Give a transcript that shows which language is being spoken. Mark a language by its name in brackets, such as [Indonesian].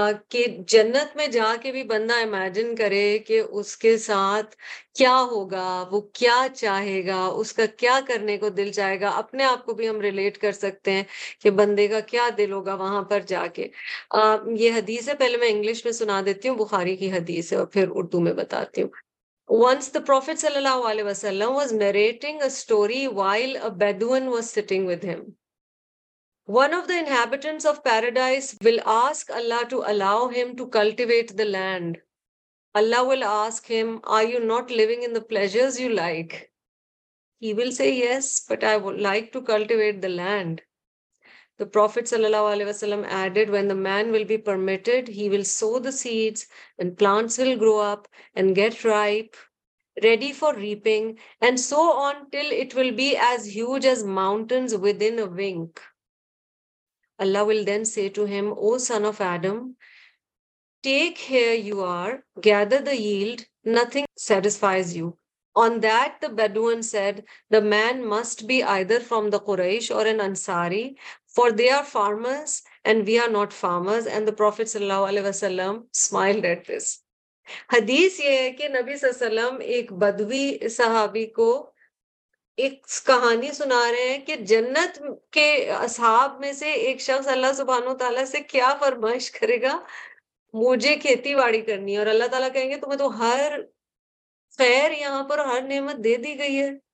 [Urdu] کہ جنت میں جا کے بھی بندہ امیجن کرے کہ اس کے ساتھ کیا ہوگا, وہ کیا چاہے گا, اس کا کیا کرنے کو دل چاہے گا. اپنے آپ کو بھی ہم ریلیٹ کر سکتے ہیں کہ بندے کا کیا دل ہوگا وہاں پر جا کے. یہ حدیث ہے, پہلے میں انگلش میں سنا دیتی ہوں, بخاری کی حدیث ہے اور پھر اردو میں بتاتی ہوں. [English] Once the Prophet صلی اللہ علیہ وسلم was narrating a story while a Bedouin was sitting with him. One of the inhabitants of paradise will ask Allah to allow him to cultivate the land. Allah will ask him, are you not living in the pleasures you like? He will say, yes, but I would like to cultivate the land. The Prophet sallallahu alaihi wasallam added, when the man will be permitted, he will sow the seeds and plants will grow up and get ripe, ready for reaping, and so on till it will be as huge as mountains within a wink. Allah will then say to him, O son of Adam, take here you are, gather the yield, nothing satisfies you. On that, the Bedouin said, the man must be either from the Quraysh or an Ansari, for they are farmers and we are not farmers. And the Prophet sallallahu alaihi wasallam smiled at this. [Urdu] Hadith ye hai ke Nabi sallallahu alaihi wasallam ek badwi sahabi ko ایک کہانی سنا رہے ہیں کہ جنت کے اصحاب میں سے ایک شخص اللہ سبحانہ وتعالیٰ سے کیا فرمائش کرے گا, مجھے کھیتی باڑی کرنی ہے, اور اللہ تعالیٰ کہیں گے تمہیں تو ہر خیر یہاں پر ہر نعمت دے دی گئی ہے.